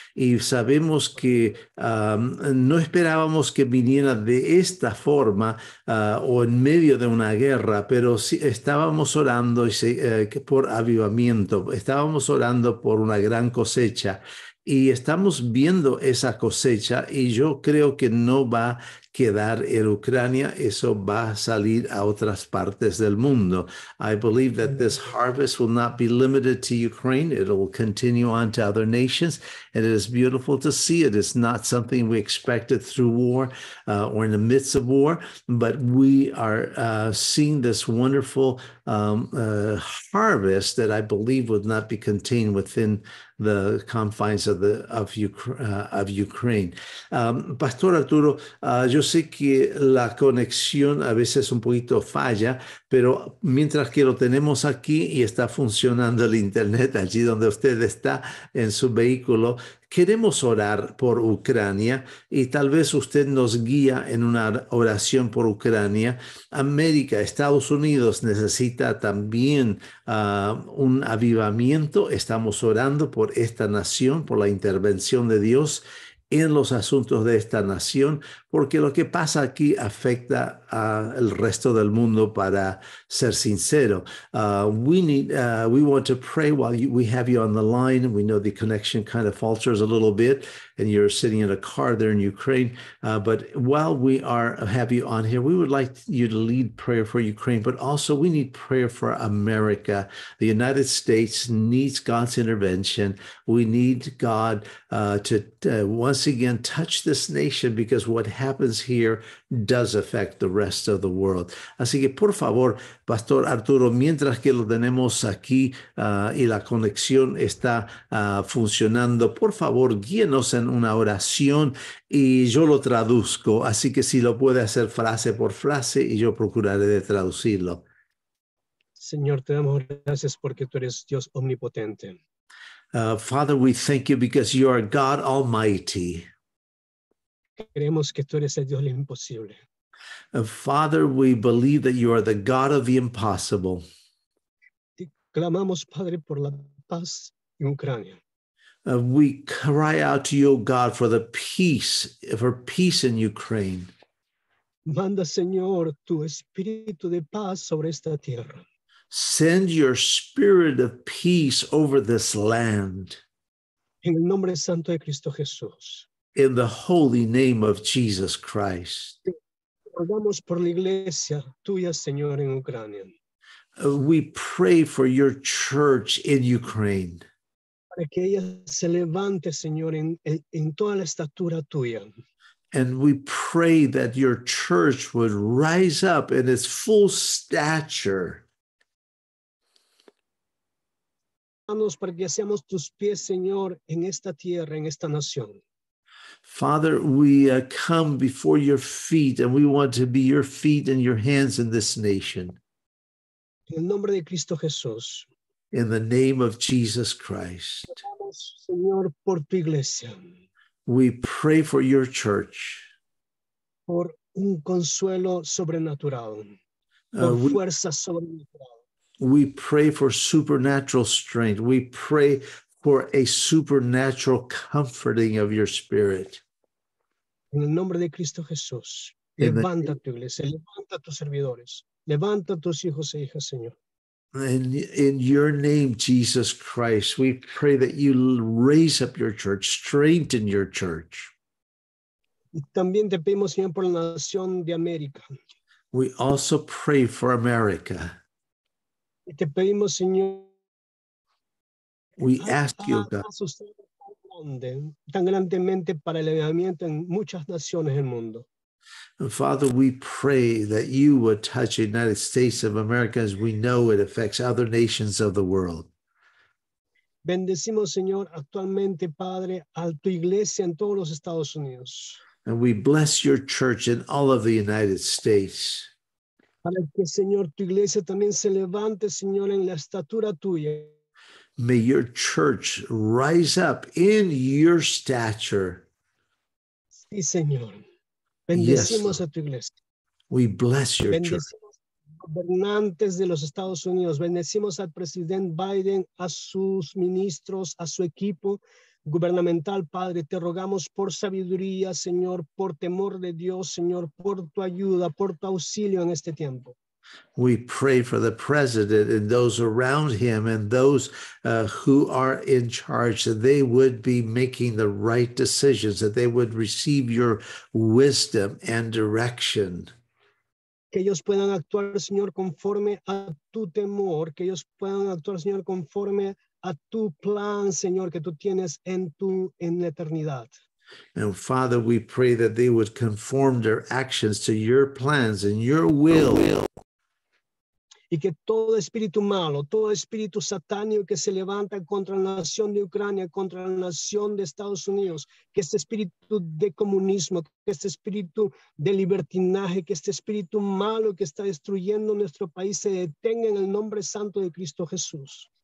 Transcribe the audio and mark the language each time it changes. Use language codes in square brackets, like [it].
[es] Y sabemos que no esperábamos que viniera de esta forma o en medio de una guerra, pero sí estábamos orando por avivamiento, estábamos orando por una gran cosecha. Y estamos viendo esa cosecha, y yo creo que no va quedar en Ucrania, eso va a salir a otras partes del mundo. [en] I believe that this harvest will not be limited to Ukraine. It will continue on to other nations. And it is beautiful to see. It is not something we expected through war or in the midst of war. But we are seeing this wonderful harvest that I believe would not be contained within the confines of of Ukraine. [es] Pastor Arturo, yo sé que la conexión a veces un poquito falla, pero mientras que lo tenemos aquí y está funcionando el internet allí donde usted está en su vehículo, queremos orar por Ucrania y tal vez usted nos guía en una oración por Ucrania. América, Estados Unidos necesita también un avivamiento. Estamos orando por esta nación, por la intervención de Dios en los asuntos de esta nación, porque lo que pasa aquí afecta al resto del mundo, para ser sincero. [en] We want to pray while we have you on the line. We know the connection kind of falters a little bit, and you're sitting in a car there in Ukraine. But while we have you on here, we would like you to lead prayer for Ukraine, but also we need prayer for America. The United States needs God's intervention. We need God once again touch this nation, because what happens here does affect the rest of the world. [es] Así que, por favor, Pastor Arturo, mientras que lo tenemos aquí y la conexión está funcionando, por favor, guíenos en una oración y yo lo traduzco. Así que si lo puede hacer frase por frase, y yo procuraré de traducirlo. Señor, te damos gracias porque tú eres Dios omnipotente. [en] Father, we thank you because you are God Almighty. [es] Creemos que tú eres el Dios del imposible. [en] Father, we believe that you are the God of the impossible. [es] Clamamos, Padre, por la paz en Ucrania. [en] We cry out to you, God, for the peace, for peace in Ukraine. [es] Manda, Señor, tu espíritu de paz sobre esta tierra. [en] Send your spirit of peace over this land. [es] En el nombre santo de Cristo Jesús. [en] In the holy name of Jesus Christ. [es] Oramos por la iglesia tuya, Señor, en Ucrania. [en] We pray for your church in Ukraine. [es] Para que ella se levante, Señor, en toda la estatura tuya. [en] And we pray that your church would rise up in its full stature. [es] Danos para que seamos tus pies, Señor, en esta tierra, en esta nación. [en] Father, we come before your feet, and we want to be your feet and your hands in this nation. [es] En el nombre de Cristo Jesús. [en] In the name of Jesus Christ. [es] Oramos, Señor, por tu iglesia. [en] We pray for your church. [es] Por un consuelo sobrenatural. Por fuerza sobrenatural. [en] We pray for supernatural strength. We pray for a supernatural comforting of your spirit. [es] En el nombre de Cristo Jesús, levanta tu iglesia, levanta tus servidores, levanta tus hijos e hijas, Señor. [en] And in your name, Jesus Christ, we pray that you raise up your church, strengthen your church. [es] Y también te pedimos, Señor, por la nación de América. [en] We also pray for America. [es] Y te pedimos, Señor, [en] we ask you, God, [es] tan grandemente para el avivamiento en muchas naciones del mundo. [en] Father, we pray that you would touch the United States of America, as we know it affects other nations of the world. [es] Bendecimos, Señor, actualmente, Padre, a tu iglesia en todos los Estados Unidos. [en] And we bless your church in all of the United States. [es] Para que, Señor, tu iglesia también se levante, Señor, en la estatura tuya. [en] May your church rise up in your stature. [es] Sí, Señor. Bendecimos, [en] yes, [es] a tu iglesia. [en] We bless your [es] bendecimos [en] church. [es] Bendecimos a los gobernantes de los Estados Unidos. Bendecimos al presidente Biden, a sus ministros, a su equipo gubernamental. Padre, te rogamos por sabiduría, Señor, por temor de Dios, Señor, por tu ayuda, por tu auxilio en este tiempo. [en] We pray for the president and those around him and those who are in charge, that they would be making the right decisions, that they would receive your wisdom and direction. [es] Que ellos puedan actuar, Señor, conforme a tu temor. Que ellos puedan actuar, Señor, conforme a tu plan, Señor, que tú tienes en la eternidad. [en] And Father, we pray that they would conform their actions to your plans and your will. [es] Y que todo espíritu malo, todo espíritu satánico que se levanta contra la nación de Ucrania, contra la nación de Estados Unidos, que este espíritu de comunismo, que este espíritu de libertinaje, que este espíritu malo que está destruyendo nuestro país se detenga en el nombre santo de Cristo Jesús.